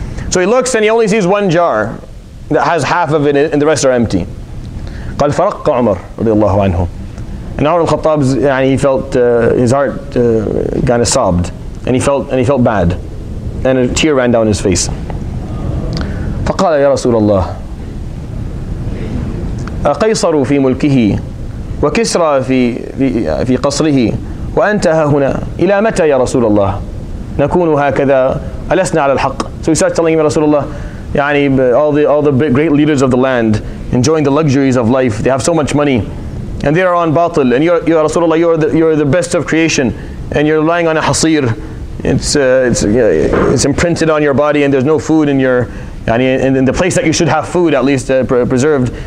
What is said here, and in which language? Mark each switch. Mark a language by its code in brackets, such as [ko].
[en] So he looks and he only sees one jar that has half of it in it and the rest are empty. [ar] قَالْ فَرَقَّ عُمَرْ رَضِيَ اللَّهُ عَنْهُ. [en] And Umar al-Khattab, he felt his heart kind of sobbed and he felt bad. And a tear ran down his face. [ar] فَقَالَ يَا رَسُولَ اللَّهِ أَقَيْصَرُ فِي مُلْكِهِ وَكِسْرَ فِي قَصْرِهِ وأنت ها هنا إلى متى يا رسول الله نكون هكذا ألسنا على الحق. [en] So he starts telling him, رسول الله, all the great leaders of the land enjoying the luxuries of life, they have so much money and they are on batil, and you are رسول الله, you are the best of creation and you're lying on a hasir. It's imprinted on your body and there's no food in your in the place that you should have food at least preserved.